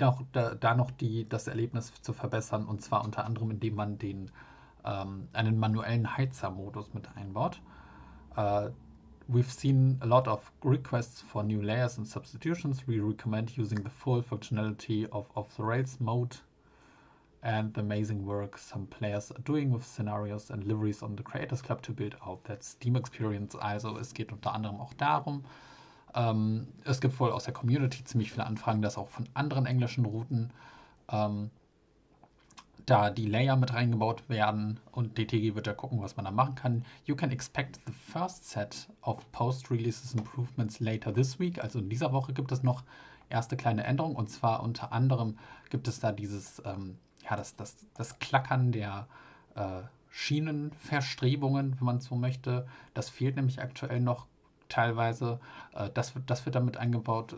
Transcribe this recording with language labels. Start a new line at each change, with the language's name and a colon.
German: Das Erlebnis zu verbessern, und zwar unter anderem, indem man einen manuellen Heizermodus mit einbaut.
English: We've seen a lot of requests for new layers and substitutions. We recommend using the full functionality of off-the-rails mode and the amazing work some players are doing with scenarios and liveries on the Creators Club to build out that Steam experience.
German: Also es geht unter anderem auch darum. Es gibt wohl aus der Community ziemlich viele Anfragen, dass auch von anderen englischen Routen da die Layer mit reingebaut werden, und DTG wird ja gucken, was man da machen kann.
English: You can expect the first set of post-releases improvements later this week.
German: Also in dieser Woche gibt es noch erste kleine Änderungen, und zwar unter anderem gibt es da dieses, ja, das Klackern der Schienenverstrebungen, wenn man so möchte. Das fehlt nämlich aktuell noch. Teilweise, das wird damit eingebaut.